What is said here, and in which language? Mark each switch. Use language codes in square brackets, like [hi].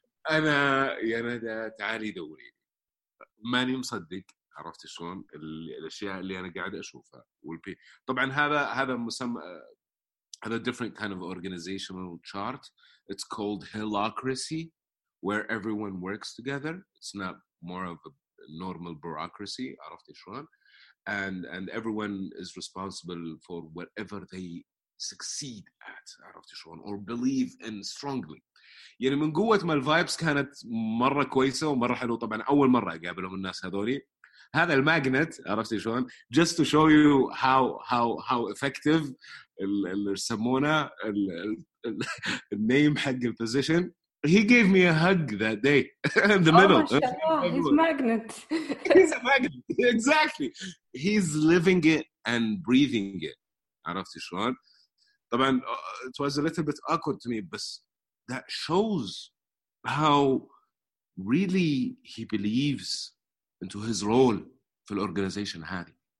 [ar] أنا يا ندى تعالي دوري, ماني مصدق, عرفت شلون؟ الأشياء اللي أنا قاعد أشوفها. طبعا هذا مسمى, [en] a different kind of organizational chart. It's called Hillocracy, where everyone works together. It's not more of a normal bureaucracy, [ar] عرفت شلون؟ [en] And everyone is responsible for whatever they succeed at, عرفت شلون؟ Or believe in strongly. [ar] يعني من قوة ما الفايبس كانت مرة كويسة ومرة حلوة. طبعا أول مرة أقابلهم الناس هذولي, هذا الماجنت, عرفت شلون؟ [en] Just to show you how effective [ar] اللي يسمونه النيم حق البوزيشن. [en] He gave me a hug that day in the middle. Oh, mashallah, he's a magnet. He's a magnet, exactly. He's living it and breathing it. [ar] عرفت شلون؟ طبعا [en] it was a little bit awkward to me, but that shows how really he believes into his role [ar] في الorganization هذه.